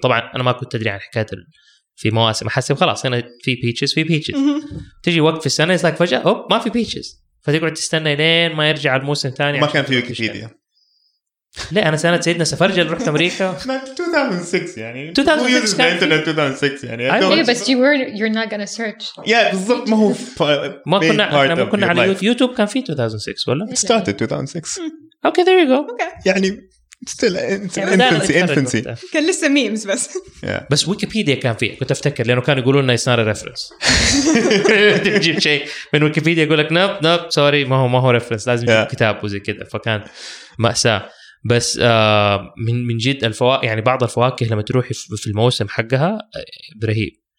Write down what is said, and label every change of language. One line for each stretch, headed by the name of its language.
Arabic: طبعا انا ما كنت ادري عن حكايه في مواسم احسب خلاص هنا في بيتشز في بيتشز تجي وقت في السنه يصير فجاه هوب ما في بيتشز فتقعد تستنى لين ما يرجع الموسم الثاني ما كان في ويكيبيديا لا انا سنه سيدنا سفرجه اللي رحت امريكا 2006 يعني 2006 يعني بس
English: you were you're not gonna search yeah
Arabic: بالضبط ما هو ما كنا ما كنا على يوتيوب كان في 2006 ولا
English: started 2006 okay there you go
Arabic: يعني
English: still infancy
Arabic: كان لسه ميمز بس بس ويكيبيديا كان فيه كنت افتكر لانه كانوا يقولون
English: it's not a reference
Arabic: تجيب شيء من ويكيبيديا يقول لك نوب سوري ما هو reference لازم كتاب وزي كده فكان مأساة. بس من جد الفواكه يعني بعض الفواكه لما تروحي في الموسم حقها رهيب.